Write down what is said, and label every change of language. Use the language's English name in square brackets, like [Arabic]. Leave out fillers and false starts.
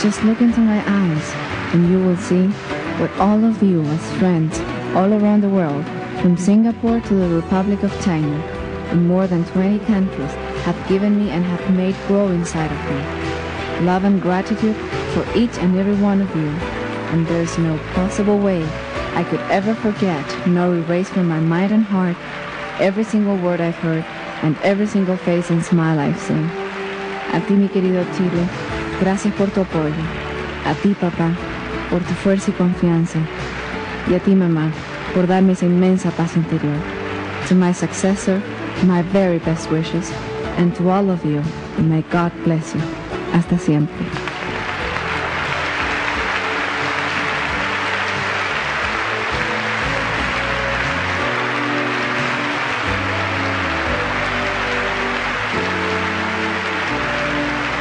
[English] Just look into my eyes and you will see what all of you as friends all around the world, from Singapore to the Republic of China, in more than 20 countries, have given me and have made grow inside of me. Love and gratitude for each and every one of you. And there's no possible way I could ever forget nor erase from my mind and heart every single word I've heard and every single face and smile I've seen. [Spanish] A ti, mi querido Chile, gracias por tu apoyo. A ti, papá, por tu fuerza y confianza. Y a ti, mamá, por darme esa inmensa paz interior. [English] To my successor, my very best wishes. And to all of you, may God bless you. [Spanish] Hasta siempre. [English] Thank you.